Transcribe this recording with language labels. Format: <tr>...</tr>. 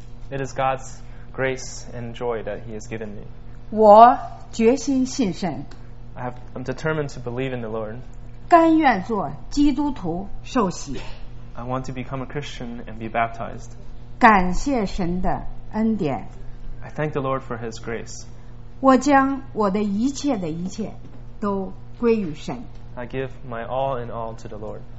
<en>It is God's grace and joy that He has given me.</en> <zh>我决心信神。</zh> <en>I'm determined to believe in the Lord.</en> <zh>甘愿做基督徒受洗。</zh> <en>I want to become a Christian and be baptized.</en> <zh>感谢神的恩典。</zh> <en>I thank the Lord for His grace.</en> <zh>我将我的一切的一切都归于神。</zh> <en>I give my all in all to the Lord.</en>